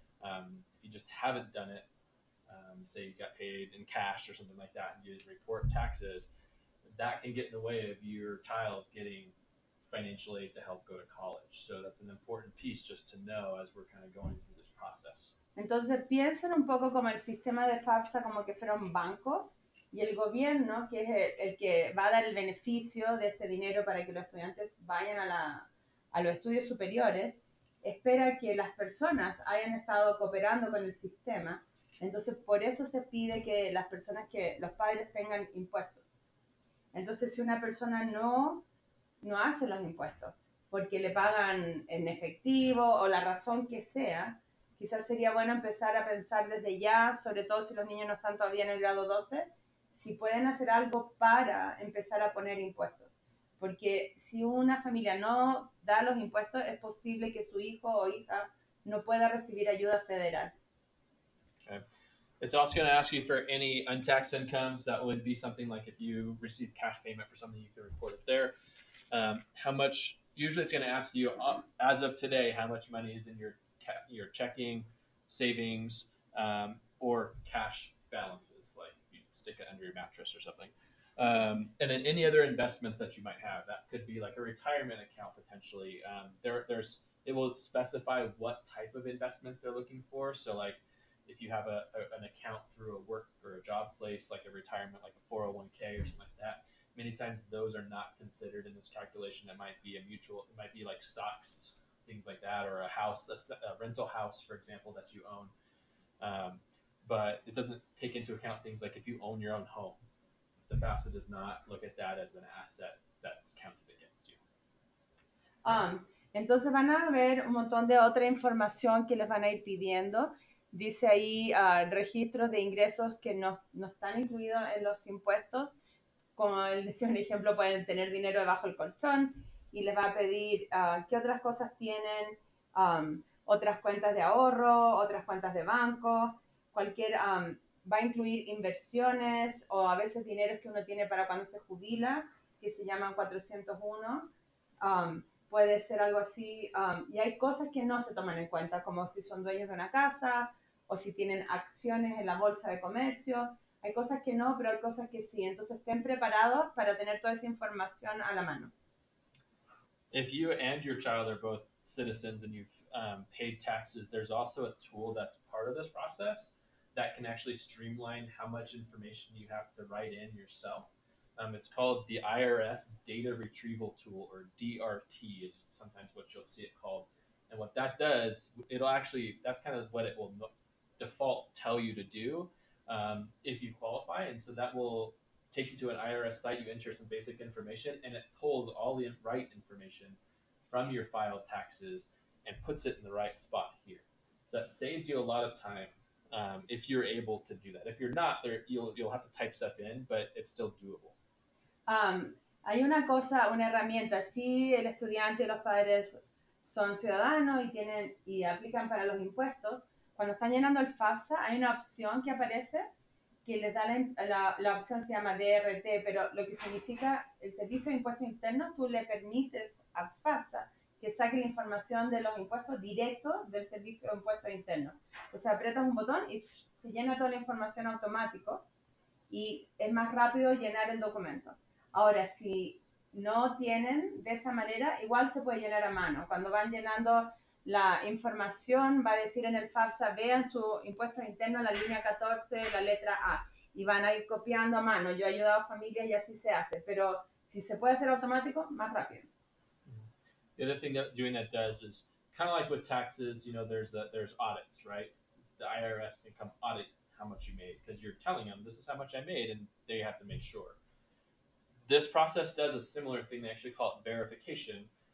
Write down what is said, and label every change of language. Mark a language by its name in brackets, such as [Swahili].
[English] If you just haven't done it, say you got paid in cash or something like that, and you report taxes, that can get in the way of your child getting financial aid to help go to college. So that's an important piece just to know as we're kind of going through this process. [Spanish] Entonces piensen un poco como el sistema de FAFSA como que fuera un banco y el gobierno que es el que va a dar el beneficio de este dinero para que los estudiantes vayan a la a los estudios superiores espera que las personas hayan estado cooperando con el sistema. Entonces por eso se pide que las personas que los padres tengan impuestos. Entonces si una persona no hace los impuestos porque le pagan en efectivo o la razón que sea, quizás sería bueno empezar a pensar desde ya, sobre todo si los niños no están todavía en el grado 12, si pueden hacer algo para empezar a poner impuestos. Porque si una familia no da los impuestos, es posible que su hijo o hija no pueda recibir ayuda federal. [English] Okay. It's also going to ask you for any untaxed incomes. That would be something like if you receive cash payment for something, you can report it there. How much, usually it's going to ask you, as of today, how much money is in your checking, savings, or cash balances, like you stick it under your mattress or something. And then any other investments that you might have, that could be like a retirement account potentially. It will specify what type of investments they're looking for. So like if you have an account through a work or a job place, like a retirement, like a 401k or something like that, many times those are not considered in this calculation. That might be a mutual, it might be like stocks, things like that, or a house, a rental house, for example, that you own. But it doesn't take into account things like if you own your own home. The FAFSA does not look at that as an asset that's counted against you. [Spanish] Entonces van a ver un montón de otra información que les van a ir pidiendo. Dice ahí registros de ingresos que no están incluidos en los impuestos. Como él decía, un ejemplo, pueden tener dinero debajo del colchón y les va a pedir qué otras cosas tienen, otras cuentas de ahorro, otras cuentas de banco, cualquier, va a incluir inversiones o a veces dineros que uno tiene para cuando se jubila, que se llaman 401, puede ser algo así. Y hay cosas que no se toman en cuenta, como si son dueños de una casa o si tienen acciones en la bolsa de comercio. Hay cosas que no, pero hay cosas que sí. Entonces, estén preparados para tener toda esa información a la mano. [English] If you and your child are both citizens and you've paid taxes, there's also a tool that's part of this process that can actually streamline how much information you have to write in yourself. It's called the IRS Data Retrieval Tool, or DRT is sometimes what you'll see it called. And what that does, it'll actually, that's kind of what it will default tell you to do. If you qualify, and so that will take you to an IRS site, you enter some basic information, and it pulls all the right information from your filed taxes and puts it in the right spot here. So that saves you a lot of time if you're able to do that. If you're not, you'll have to type stuff in, but it's still doable. [Spanish] Hay una cosa, una herramienta. Si el estudiante y los padres son ciudadanos y tienen y aplican para los impuestos, cuando están llenando el FAFSA, hay una opción que aparece que les da la opción, se llama DRT, pero lo que significa el servicio de impuestos internos, tú le permites a FAFSA que saque la información de los impuestos directo del servicio de impuestos internos. Entonces, aprietas un botón y se llena toda la información automático y es más rápido llenar el documento. Ahora, si no tienen de esa manera, igual se puede llenar a mano. Cuando van llenando la información va a decir en el FAFSA, vean su impuesto interno en la línea 14, la letra A, y van a ir copiando a mano. Yo he ayudado a familias y así se hace. Pero si se puede hacer automático, más rápido. [English] The other thing that doing that does is, kind of like with taxes, you know, there's audits, right? The IRS can come audit how much you made because you're telling them, this is how much I made, and they have to make sure. This process does a similar thing. They actually call it verification.